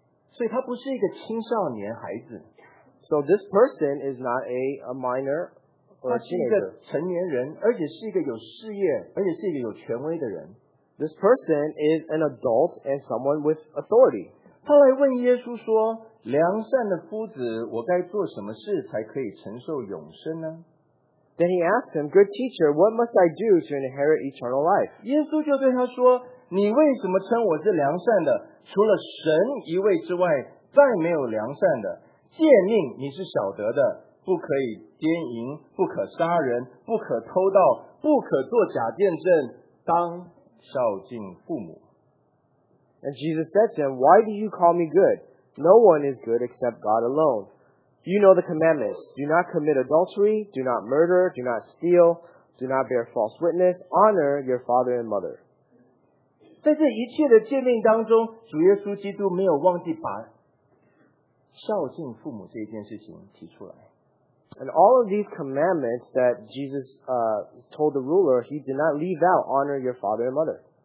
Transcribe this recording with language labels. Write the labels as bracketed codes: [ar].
[zh] 所以他不是一个青少年孩子。 [en] So this person is not a minor or a teenager. [zh] 他是一个成年人, 而且是一个有事业, 而且是一个有权威的人。 [en] This person is an adult and someone with authority. [zh] 他来问耶稣说, 良善的夫子, 我该做什么事才可以承受永生呢? [en] Then he asked him, Good teacher, what must I do to inherit eternal life? [zh] 耶稣就对他说, 你为什么称我是良善的? 除了神一位之外, 再没有良善的。诫命你是晓得的, 不可以奸淫, 不可杀人, 不可偷盗, 不可做假见证, 当孝敬父母。 [en] And Jesus said to him, Why do you call me good? No one is good except God alone. You know the commandments. Do not commit adultery, do not murder, do not steal, do not bear false witness, honor your father and mother. [zh] 在这一切的诫命当中, 主耶稣基督没有忘记把孝敬父母这件事情提出来。 [en] And all of these commandments that Jesus told the ruler, he did not leave out, honor your father and mother.